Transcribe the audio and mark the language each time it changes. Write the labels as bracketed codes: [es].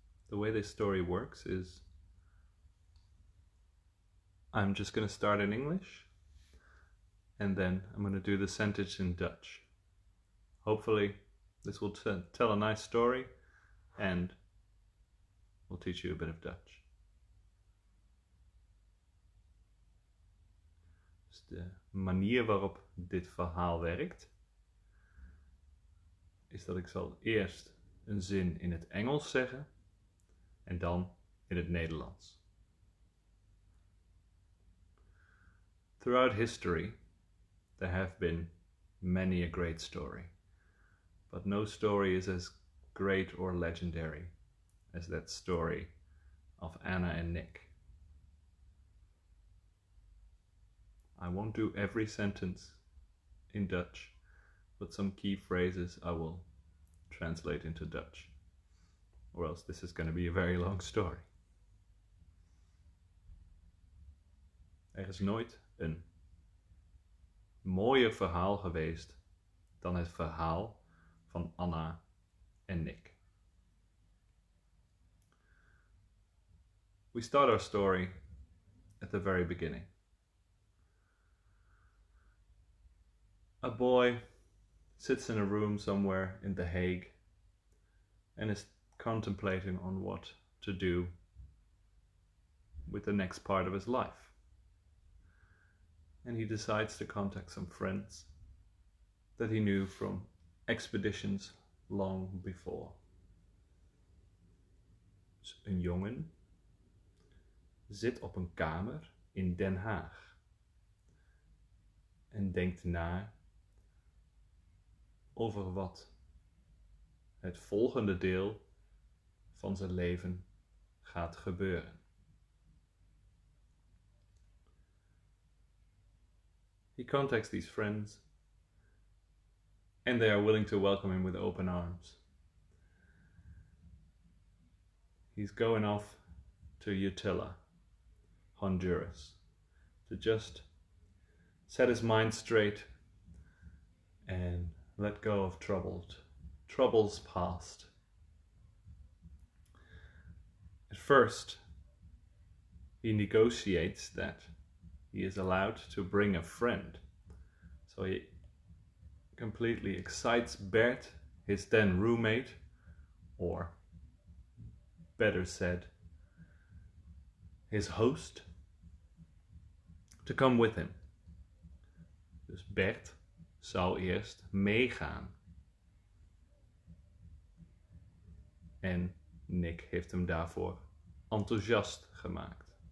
[en] The way this story works is I'm just going to start in English and then I'm going to do the sentence in Dutch. Hopefully this will tell a nice story and we'll teach you a bit of Dutch. [nl] Dus de manier waarop dit verhaal werkt is dat ik zal eerst een zin in het Engels zeggen. En dan in het Nederlands. [en] Throughout history, there have been many a great story. But no story is as great or legendary as that story of Anna and Nick. I won't do every sentence in Dutch, but some key phrases I will translate into Dutch. Or else this is going to be a very long story. [nl] Er is nooit een mooier verhaal geweest dan het verhaal van Anna en Nick. [en] We start our story at the very beginning. A boy sits in a room somewhere in The Hague and is contemplating on what to do with the next part of his life. And he decides to contact some friends that he knew from expeditions long before. [nl] Dus een jongen zit op een kamer in Den Haag en denkt na over wat het volgende deel van zijn leven gaat gebeuren. [en] He contacts these friends and they are willing to welcome him with open arms. He's going off to Utila, Honduras, to just set his mind straight and let go of troubles past. At first, he negotiates that he is allowed to bring a friend. So he completely excites Bert, his then roommate, or better said, his host, to come with him. [nl] Dus Bert zou eerst meegaan. En Nick heeft hem daarvoor enthousiast gemaakt.